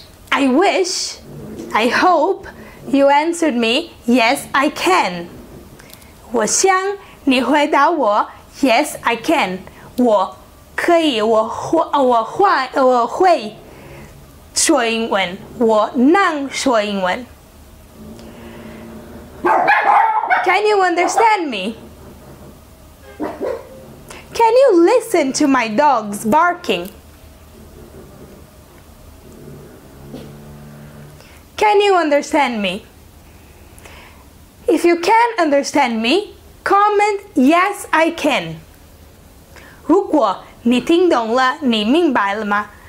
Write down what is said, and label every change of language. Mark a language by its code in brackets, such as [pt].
[en] I wish, I hope you answered me, yes, I can. [zh] 我想你回答我 [en] yes, I can. [zh] 我可以，我会说英文，我能说英文。 [en] Can you understand me? Can you listen to my dogs barking? Can you understand me? If you can understand me, comment yes I can. [zh] 如果你听懂了，你明白了吗？